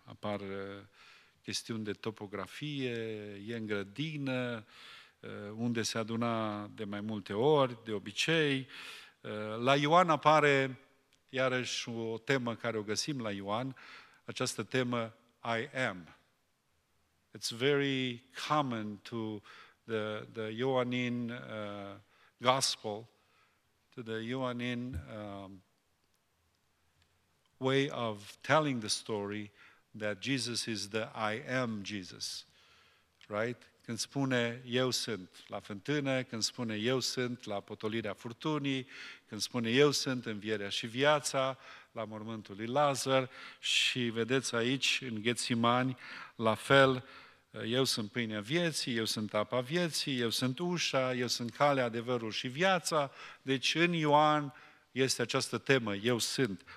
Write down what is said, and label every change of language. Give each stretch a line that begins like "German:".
Romanian: Apar chestiuni de topografie, e în grădină, unde se aduna de mai multe ori, de obicei. La Ioan apare iarăși o temă care o găsim la Ioan, această temă I am.
English: It's very common to the Ioanin gospel, to the Ioanin way of telling the story that Jesus is the I am Jesus, right?
Romanian: Când spune eu sunt la fântână, când spune eu sunt la potolirea furtunii, când spune eu sunt învierea și viața, la mormântul lui Lazar și vedeți aici în Ghețimani, la fel, eu sunt pâinea vieții, eu sunt apa vieții, eu sunt ușa, eu sunt calea, adevărul și viața, deci în Ioan este această temă, eu sunt.